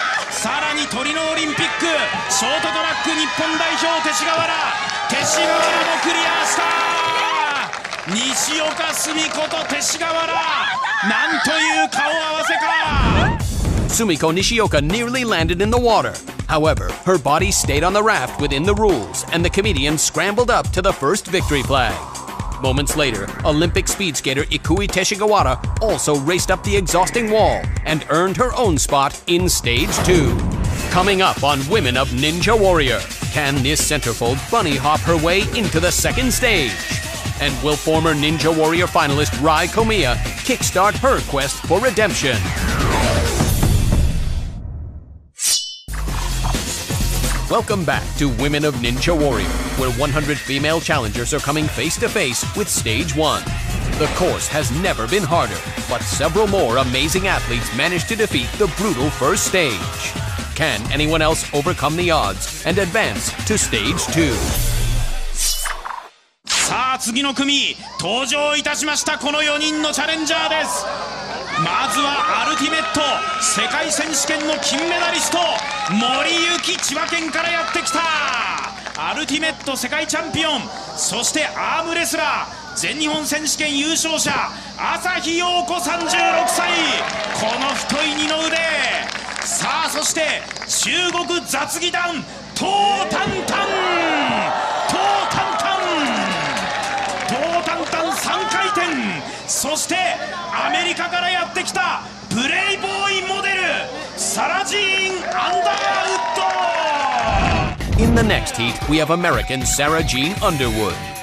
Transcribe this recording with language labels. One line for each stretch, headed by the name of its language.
Japanese: さらにトリノオリンピックショートトラック日本代表勅使河原、勅使河原もクリアした。西岡澄子と勅使河原、なんという顔合わせか。
English: Sumiko Nishioka nearly landed in the water. However, her body stayed on the raft within the rules, and the comedian scrambled up to the first victory flag. Moments later, Olympic speed skater Ikui Teshigawara also raced up the exhausting wall and earned her own spot in stage two. Coming up on Women of Ninja Warrior, can this centerfold bunny hop her way into the second stage? And will former Ninja Warrior finalist Rai Komiya kickstart her quest for redemption? Welcome back to Women of Ninja Warrior, where 100 female challengers are coming face to face with stage one. The course has never been harder, but several more amazing athletes managed to defeat the brutal first stage. Can anyone else overcome the odds and advance to stage two?
Japanese: さあ次の組、登場いたしましたこの4人のチャレンジャーです。まずはアルティメット世界選手権の金メダリスト森幸、千葉県からやってきた。アルティメット世界チャンピオン、そしてアームレスラー全日本選手権優勝者朝日陽子36歳、この太い二の腕。さあそして中国雑技団トータンタン、トータンタン、トータンタン3回転、そしてアメリカからやってきたプレイボーイモデル、サラジーン・アンダーウッド。
English: In the next heat, we have American Sarah Jean Underwood.